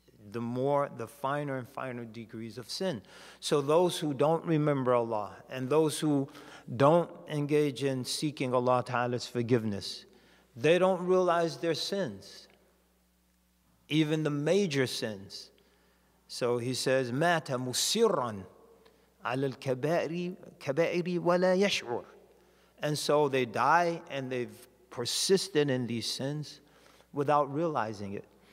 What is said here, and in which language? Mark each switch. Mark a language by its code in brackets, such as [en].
[en] The more, the finer and finer degrees of sin. So those who don't remember Allah and those who don't engage in seeking Allah Ta'ala's forgiveness, they don't realize their sins, even the major sins. So he says, [ar] مَاتَ مُسِرًا عَلَى الْكَبَائِرِ وَلَا يَشْعُرُ. [en] And so they die and they've persisted in these sins without realizing it.